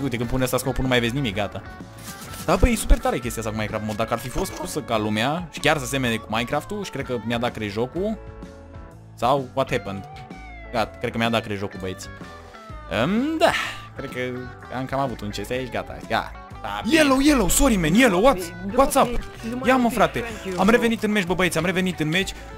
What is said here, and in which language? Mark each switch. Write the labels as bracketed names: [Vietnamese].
[Romanian] Uite, când pune asta scope-ul nu mai vezi nimic, gata. Da, băi, e super tare chestia asta cu Minecraft mod. Dacă ar fi fost pusă ca lumea și chiar să semene cu Minecraft-ul și cred că mi-a dat crezi jocul. Sau, [English] what happened? [Romanian] Gata, cred că mi-a dat crezi jocul, băieți. Da. Cred că am cam avut un chest aici, gata, gata. [English] Yellow, yellow, sorry man, yellow, what's up? [Romanian] Ia mă frate, am revenit în match, bă băieți, am revenit în match.